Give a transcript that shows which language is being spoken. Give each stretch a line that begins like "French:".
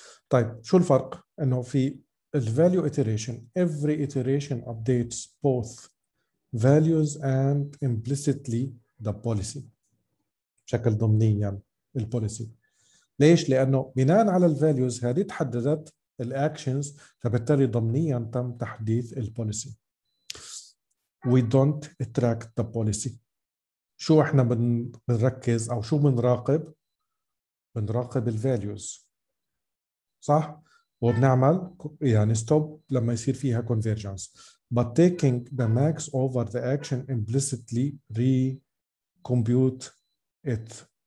Arabic: طيب شو الفرق؟ انه في الـ
English: value iteration every iteration updates both values and implicitly the policy.
Arabic: بشكل ضمنيا البوليسي. ليش؟ لأنه بناء على الفاليوز هذه تحددت الأكشنز، فبالتالي ضمنيا تم تحديث البوليسي.
English: We don't track the policy.
Arabic: شو احنا بنركز أو شو بنراقب؟ بنراقب الفاليوز، صح؟ وبنعمل يعني stop لما يصير فيها convergence.
English: But taking the max over the action implicitly recompute it.